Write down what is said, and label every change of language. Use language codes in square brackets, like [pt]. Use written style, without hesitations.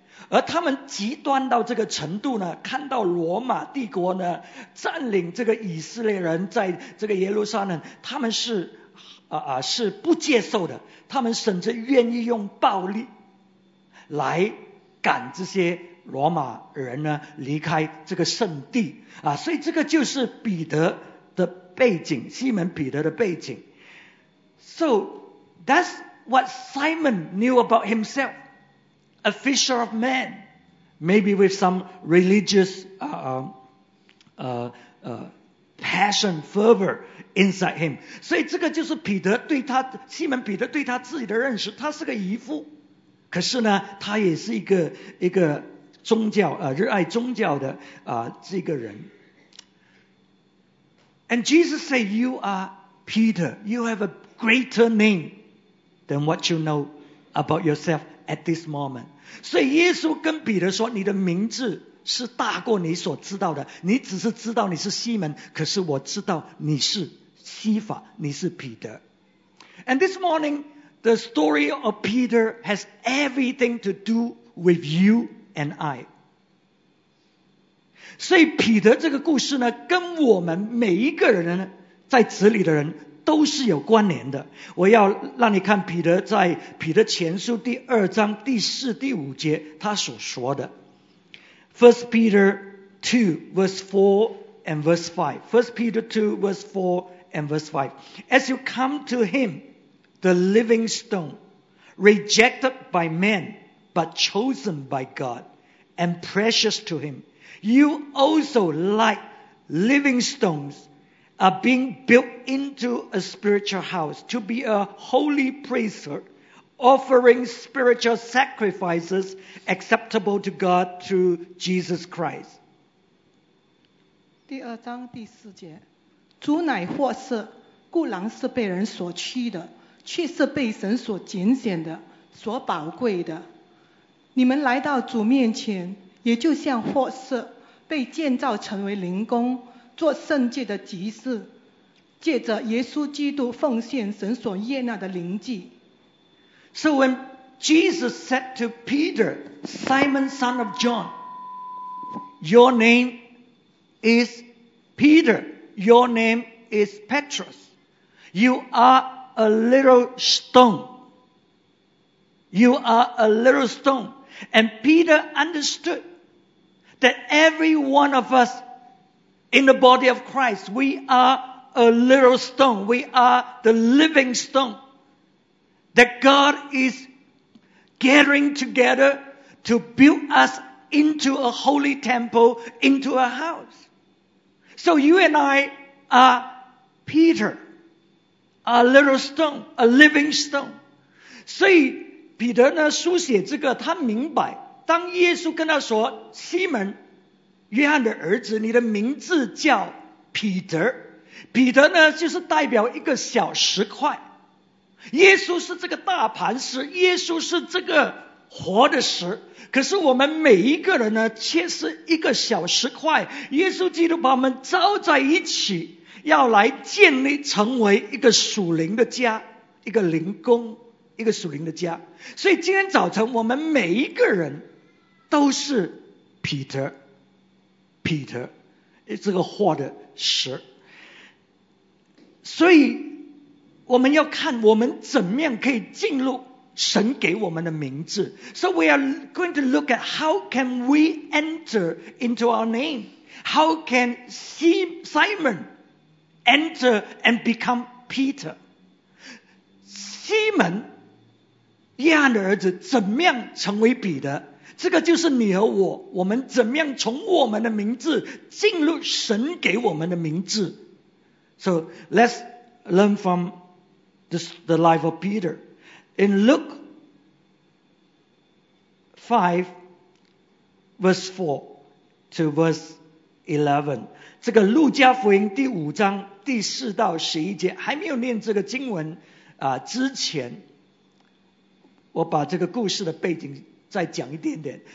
[zh] 而他们极端到这个程度呢, 看到罗马帝国呢, 占领这个以色列人, 在这个耶路撒冷, 他们是, 是不接受的, 他们甚至愿意用暴力 来赶这些罗马人呢, 离开这个圣地, 啊, 所以这个就是彼得的背景, 西门彼得的背景。 [en] So that's what Simon knew about himself, a fisher of men, maybe with some religious passion, fervor inside him. [zh] 所以这个就是彼得对他,西门彼得对他自己的认识, 他是个渔夫, 可是呢, 他也是一个宗教, 热爱宗教的, 这个人。 [en] And Jesus said, you are Peter, you have a greater name than what you know about yourself at this moment. [zh] 所以耶稣跟彼得说, 你的名字是大过你所知道的, 你只是知道你是西门, 可是我知道你是西法, 你是彼得。 [en] And this morning, the story of Peter has everything to do with you and I. [zh] 所以彼得这个故事呢, 跟我们每一个人呢, 在此里的人, 都是有关联的。我要让你看彼得在彼得前书第二章第四第五节, 他所说的。 [en] 1 Peter 2 verse 4 and verse 5. 1 Peter 2 verse 4 and verse 5. As you come to him, the living stone, rejected by men, but chosen by God, and precious to him, you also, like living stones, are being built into a spiritual house to be a holy priesthood, offering spiritual sacrifices acceptable to God through Jesus Christ. [zh] 第二章第四节, 主乃获赦, 固然是被人所弃的, 却是被神所拣选的, 所宝贵的。你们来到主面前, 也就像获赦, 被建造成为灵宫, 做圣洁的祭司, 借着耶稣基督奉献神所悦纳的灵祭。 [en] So when Jesus said to Peter, Simon, son of John, your name is Peter, your name is Petrus, you are a little stone. You are a little stone. And Peter understood that every one of us in the body of Christ, we are a little stone. We are the living stone that God is gathering together to build us into a holy temple, into a house. So you and I are Peter, a little stone, a living stone. [zh] 所以彼得呢书写这个，他明白当耶稣跟他说西门约翰的儿子你的名字叫彼得，彼得呢就是代表一个小石块，耶稣是这个大磐石，耶稣是这个活的石，可是我们每一个人呢却是一个小石块，耶稣基督把我们招在一起，要来建立成为一个属灵的家，一个灵宫，一个属灵的家。所以今天早晨我们每一个人都是彼得，彼得这个活的石。所以我们要看我们怎么样可以进入神给我们的名字。 [en] So we are going to look at how can we enter into our name. How can Simon enter and become Peter? [zh] 西门约翰的儿子怎么样成为彼得？这个就是你和我，我们怎么样从我们的名字进入神给我们的名字。 [en] So let's learn from the life of Peter. In Luke 5 verse 4 to verse 11, [zh] 这个路加福音第五章第四到十一节，还没有念这个经文之前，我把这个故事的背景再讲一点点。